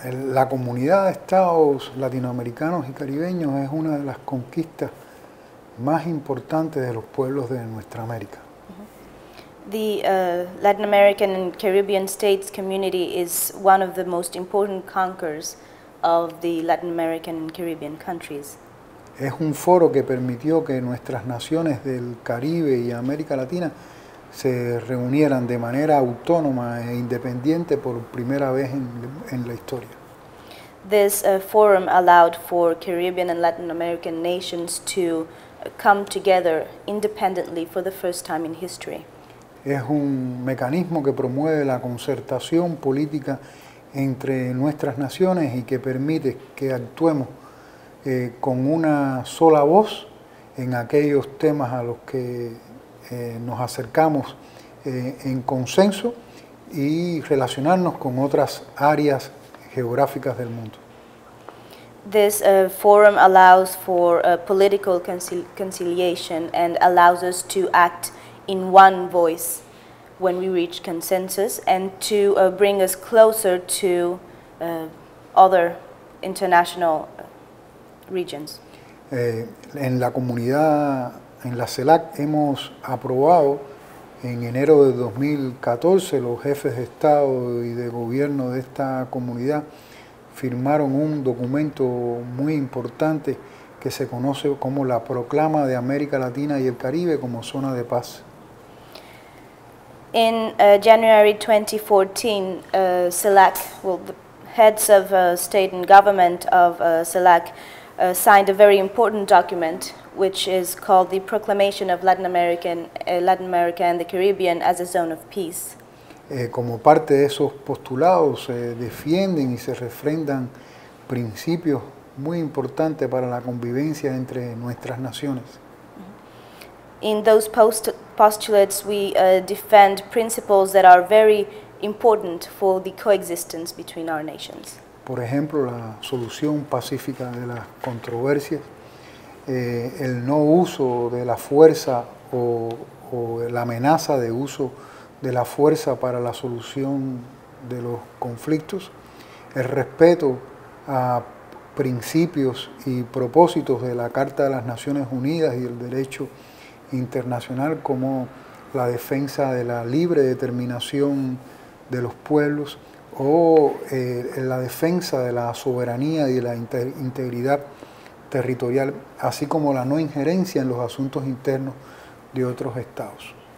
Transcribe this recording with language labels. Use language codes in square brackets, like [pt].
[es] La comunidad de estados latinoamericanos y caribeños es una de las conquistas más importantes de los pueblos de nuestra América. [en] The Latin American and Caribbean states community is one of the most important conquerors of the Latin American and Caribbean countries. [es] Es un foro que permitió que nuestras naciones del Caribe y América Latina se reunieran de manera autónoma e independiente por primera vez en la historia. [en] This forum allowed for Caribbean and Latin American nations to come together independently for the first time in history. [es] Es un mecanismo que promueve la concertación política entre nuestras naciones y que permite que actuemos con una sola voz en aquellos temas a los que nos acercamos en consenso y relacionarnos con otras áreas geográficas del mundo. [en] This forum allows for political conciliation and allows us to act in one voice when we reach consensus and to bring us closer to other international regions. [es] En la comunidad, en la CELAC, hemos aprobado en enero de 2014, los jefes de Estado y de gobierno de esta comunidad firmaron un documento muy importante que se conoce como la Proclama de América Latina y el Caribe como Zona de Paz. [en] In January 2014, CELAC, well, the heads of state and government of CELAC signed a very important document, which is called the Proclamation of Latin America and the Caribbean as a Zone of Peace. [es] Como parte de esos postulados, se defienden y se refrendan principios muy importantes para la convivencia entre nuestras naciones. [en] In those postulates, we defend principles that are very important for the coexistence between our nations. [es] Por ejemplo, la solución pacífica de las controversias, el no uso de la fuerza o la amenaza de uso de la fuerza para la solución de los conflictos, el respeto a principios y propósitos de la Carta de las Naciones Unidas y el derecho internacional como la defensa de la libre determinación de los pueblos o la defensa de la soberanía y la integridad territorial, así como la no injerencia en los asuntos internos de otros estados.